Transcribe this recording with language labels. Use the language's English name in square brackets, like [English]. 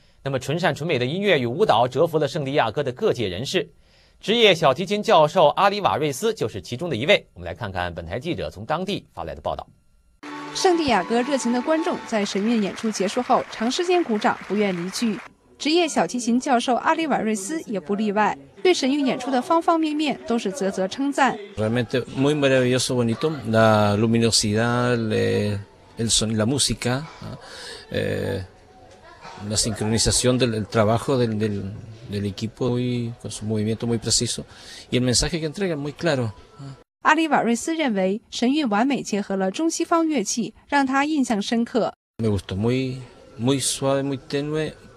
[Chinese] 那么纯善纯美的音乐与舞蹈折服了圣地亚哥的各界人士，职业小提琴教授阿里瓦瑞斯就是其中的一位。我们来看看本台记者从当地发来的报道。圣地亚哥热情的观众在神韵演出结束后长时间鼓掌不愿离去，职业小提琴教授阿里瓦瑞斯也不例外，对神韵演出的方方面面都是啧啧称赞。 [Spanish] Realmente muy maravilloso, bonito, la luminosidad, el son, la música, la sincronización del trabajo del equipo y con su movimiento muy preciso y el mensaje que entrega muy claro. [Chinese] 阿里瓦瑞斯认为神韵完美结合了中西方乐器，让他印象深刻。 [Spanish] Me gustó muy, muy suave, muy tenue.